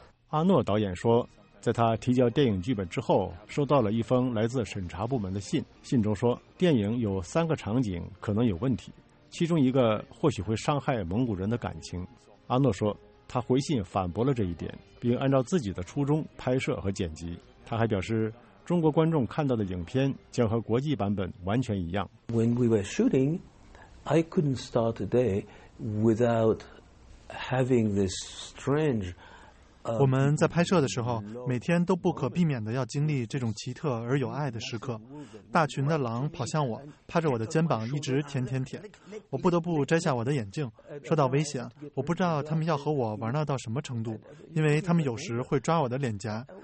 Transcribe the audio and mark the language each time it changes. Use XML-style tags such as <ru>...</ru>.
<zh>阿诺导演说，在他提交电影剧本之后，收到了一封来自审查部门的信，信中说电影有三个场景可能有问题，其中一个或许会伤害蒙古人的感情。阿诺说，他回信反驳了这一点，并按照自己的初衷拍摄和剪辑。他还表示，中国观众看到的影片将和国际版本完全一样。</zh> <en>When we were shooting, I couldn't start the day without having this strange.</en> <zh>我们在拍摄的时候，每天都不可避免地要经历这种奇特而有爱的时刻。大群的狼跑向我，趴着我的肩膀一直舔舔舔。我不得不摘下我的眼镜。说到危险，我不知道他们要和我玩闹到什么程度，因为他们有时会抓我的脸颊。</zh>